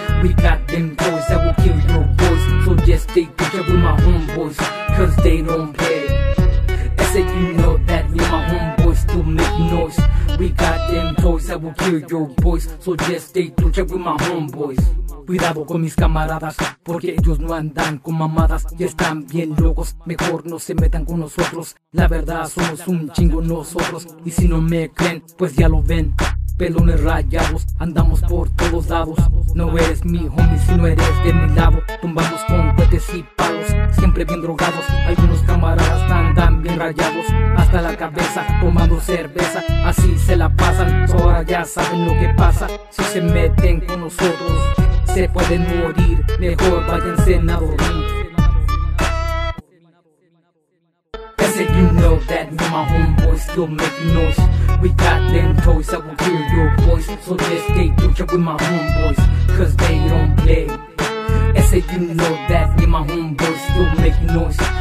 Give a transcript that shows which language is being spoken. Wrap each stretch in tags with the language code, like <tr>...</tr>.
<en>We got them toys that will kill your voice. So just stay put up with my homeboys, cause they don't play. I said you know that me and my homeboys still making noise. We got them toys that will kill your voice. So just stay put up with my homeboys.</en> <es>Cuidado con mis camaradas, porque ellos no andan con mamadas y están bien locos, mejor no se metan con nosotros. La verdad somos un chingo nosotros, y si no me creen, pues ya lo ven. Pelones rayados, andamos por todos lados. No eres mi homie si no eres de mi lado. Tumbamos con cohetes y palos, siempre bien drogados. Algunos camaradas andan bien rayados, hasta la cabeza, tomando cerveza. Así se la pasan, ahora ya saben lo que pasa. Si se meten con nosotros, se pueden morir. Mejor váyanse a dormir.</es> <en>I said you know that me and my homeboys still making noise. We got them toys that will hear your voice. So just stay put up with my homeboys, cause they don't play. I said you know that me and my homeboys still making noise.</en>